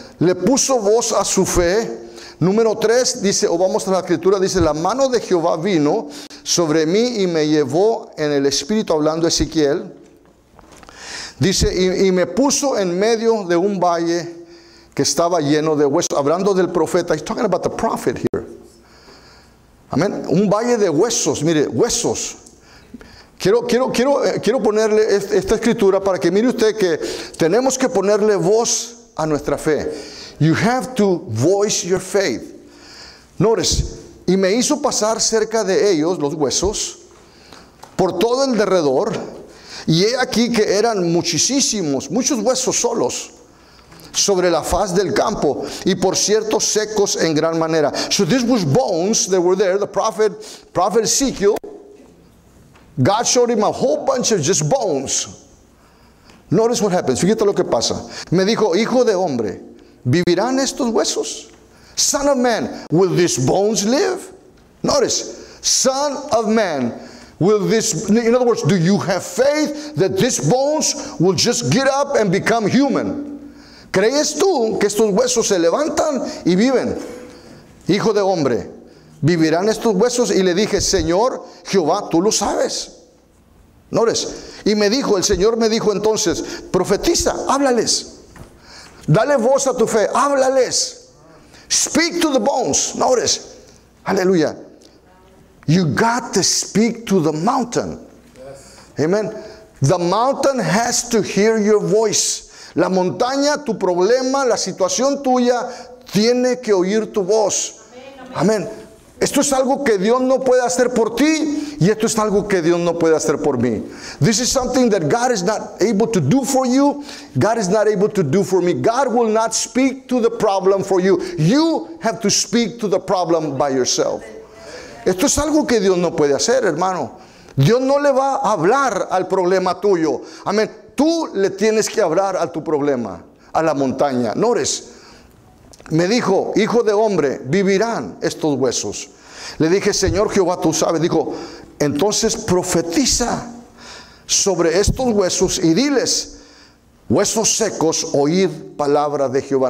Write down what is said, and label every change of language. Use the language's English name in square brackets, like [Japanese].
[Spanish] Le puso voz a su fe. Número 3 dice, vamos a la escritura, dice, la mano de Jehová vino sobre mí y me llevó en el espíritu, hablando Ezequiel. Dice, y me puso en medio de un valle que estaba lleno de huesos. Hablando del profeta, [English] he's talking about the prophet here. [Spanish] Amén. Un valle de huesos, mire, huesos. Quiero ponerle esta escritura para que mire usted que tenemos que ponerle voz a nuestra fe. [English] You have to voice your faith. Notice, [Spanish] y me hizo pasar cerca de ellos, los huesos, por todo el derredor, y he aquí que eran muchísimos, muchos huesos solos sobre la faz del campo, y por cierto secos en gran manera. [English] So these were bones that were there. The prophet Ezekiel, God showed him a whole bunch of just bones. Notice what happens. [Spanish] Fíjate lo que pasa. Me dijo, hijo de hombre, ¿vivirán estos huesos? [English] Son of man, will these bones live? Notice, Son of Man, will this, in other words, do you have faith that these bones will just get up and become human? [Spanish] ¿Crees tú que estos huesos se levantan y viven? Hijo de hombre, ¿vivirán estos huesos? Y le dije, Señor, Jehová, tú lo sabes. Notice. Y me dijo, el Señor me dijo entonces, profetiza, háblales. Dale voz a tu fe, háblales. [English] Speak to the bones. Notice. [Spanish] Aleluya. [English] You got to speak to the mountain. Yes. Amen. The mountain has to hear your voice. [Spanish] La montaña, tu problema, la situación tuya, tiene que oír tu voz. Amén. Esto es algo que Dios no puede hacer por ti, y esto es algo que Dios no puede hacer por mí. [English] This is something that God is not able to do for you. God is not able to do for me. God will not speak to the problem for you. You have to speak to the problem by yourself. [Spanish] Esto es algo que Dios no puede hacer, hermano. Dios no le va a hablar al problema tuyo. Amén. Tú le tienes que hablar a tu problema, a la montaña. Nores. Me dijo, hijo de hombre, ¿vivirán estos huesos? Le dije, Señor Jehová, tú sabes. Dijo, entonces profetiza sobre estos huesos y diles, huesos secos, oíd palabra de Jehová.